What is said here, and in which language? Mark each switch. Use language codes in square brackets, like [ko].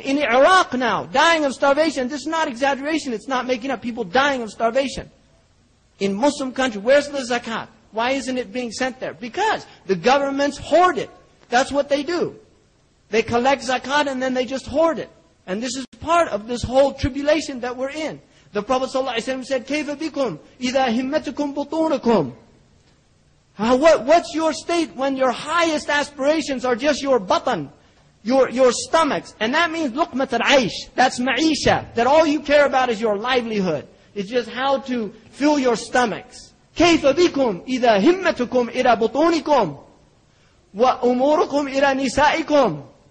[en] In Iraq now, dying of starvation. This is not exaggeration, it's not making up. People dying of starvation. In Muslim countries, where's the zakat? Why isn't it being sent there? Because the governments hoard it. That's what they do. They collect zakat and then they just hoard it. And this is part of this whole tribulation that we're in. The Prophet ﷺ said, [ar] كَيْفَ بِكُمْ إِذَا هِمَّتُكُمْ بُطُونَكُمْ. [en] What's your state when your highest aspirations are just your batan, your stomachs? And that means [ar] لُقْمَةَ الْعَيْشِ. [en] That's ma'isha. That all you care about is your livelihood. It's just how to fill your stomachs. [ar] كَيْفَ بِكُمْ إِذَا هِمَّتُكُمْ إِلَى بُطُونِكُمْ وَأُمُورُكُمْ إِلَى نِسَائِكُمْ.